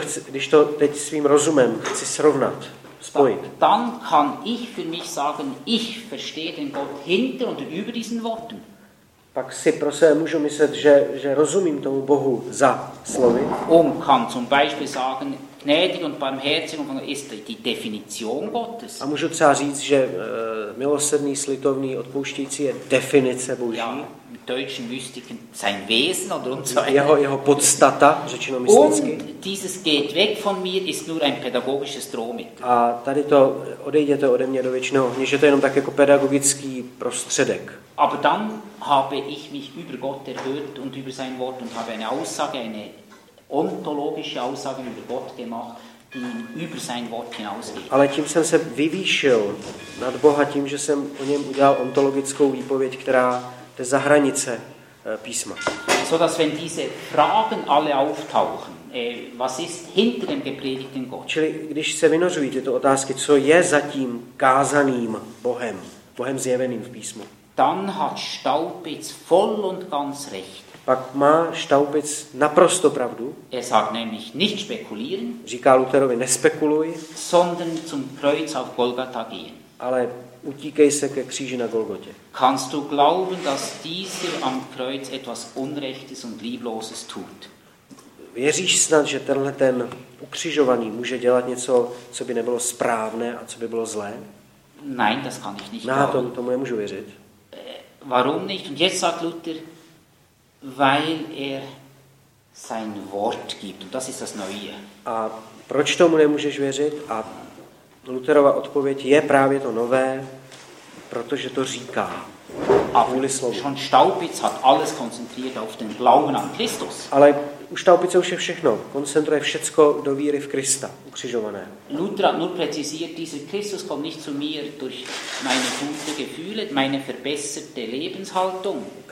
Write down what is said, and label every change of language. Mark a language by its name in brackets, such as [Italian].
[Czech] Když to teď svým rozumem chci srovnat, spojit. [German] Dann kann ich für mich sagen, ich verstehe den Gott hinter und über diesen Worten. [Czech] Pak si pro sebe můžu myslet, že rozumím tomu Bohu za slovy. [German] Und kann zum Beispiel sagen, gnädig und barmherzig ist die Definition Gottes. [Czech] A můžu třeba říct, že milosrdný, slitovný, odpouštějící je definice Boží. [German] Ja. Deutschen Mystiken sein Wesen oder und so [Czech] jeho podstata, řečeno mysticky. [German] Und dieses geht weg von mir ist nur ein pädagogisches Drohmittel. [Czech] A tady to odejděte ode mě do věčného ohně, že to je jenom tak jako pedagogický prostředek. [German] Aber dann habe ich mich über Gott erhört und über sein Wort und habe eine Aussage, eine ontologische Aussage über Gott gemacht, die über sein Wort hinausgeht. [Czech] Ale tím jsem se vyvýšil nad Boha tím, že jsem o něm udělal ontologickou výpověď, která jde za hranice písma. [German] So dass wenn diese Fragen alle auftauchen, was ist hinter dem gepredigten Gott? [Czech] Čili když se vynořují tyto otázky, co je za tím kázaným Bohem, Bohem zjeveným v písmu? [German] Dann hat Staupitz voll und ganz recht. [Czech] Pak má Staupitz naprosto pravdu. [German] Er sagt nämlich nicht spekulieren. [Czech] Říká Lutherovi, nespekuluj. [German] Sondern zum Kreuz auf Golgatha gehen. [Czech] ale utíkej se ke kříži na Golgotě. [German] Kannst du glauben, dass dieser am Kreuz etwas Unrechtes und Liebloses tut? [Czech] Věříš snad, že tenhle ten ukřižovaný může dělat něco, co by nebylo správné a co by bylo zlé? [German] Nein, das kann ich nicht. [Czech] Na, tomu nemůžu věřit. [German] Warum nicht? Und jetzt sagt Luther, weil sein Wort gibt. Und das ist das Neue. [Czech] A proč tomu nemůžeš věřit? A Lutherova odpověď je právě to nové, protože to říká. A vůli slovu. [German] Schon Staupitz hat alles konzentriert auf den Glauben an Christus. [Czech] Ale u Staupice už je všechno. Koncentruje všecko do víry v Krista, ukřižované. [German] Luther hat nur präzisiert, dieser Christus kommt nicht zu mir durch meine gute Gefühle, meine verbesserte Lebenshaltung.